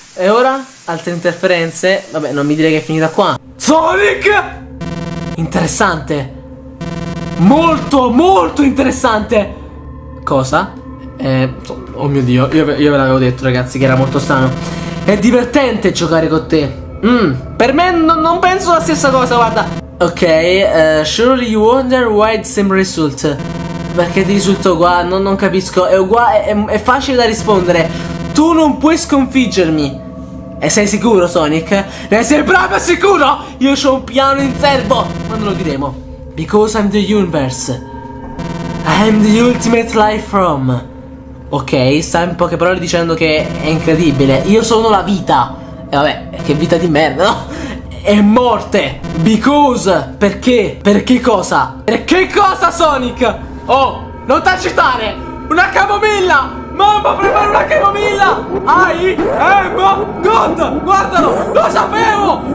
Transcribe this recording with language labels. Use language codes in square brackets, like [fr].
[it] E ora, altre interferenze. Vabbè, non mi dire che è finita qua. Sonic! Interessante. Molto, molto interessante. Cosa? Oh mio Dio, io ve l'avevo detto, ragazzi, che era molto strano. È divertente giocare con te. Per me non penso la stessa cosa, guarda. [en] Ok, surely you wonder why the same result. [it] Perché ti risulta uguale? Non capisco. È uguale, è facile da rispondere. Tu non puoi sconfiggermi. E sei sicuro, Sonic? Ne sei proprio sicuro? Io ho un piano in serbo. Ma non lo diremo. [en] Because I'm the universe. I'm the ultimate life form. [it] Ok, sta in poche parole dicendo che è incredibile. Io sono la vita. E vabbè, che vita di merda, no? È morte. [en] Because. [it] Perché? Perché cosa? Perché cosa, Sonic? Oh, non t'agitare. Una camomilla. Mamma, prepara una camomilla. Ai, God, guardalo. Lo sapevo.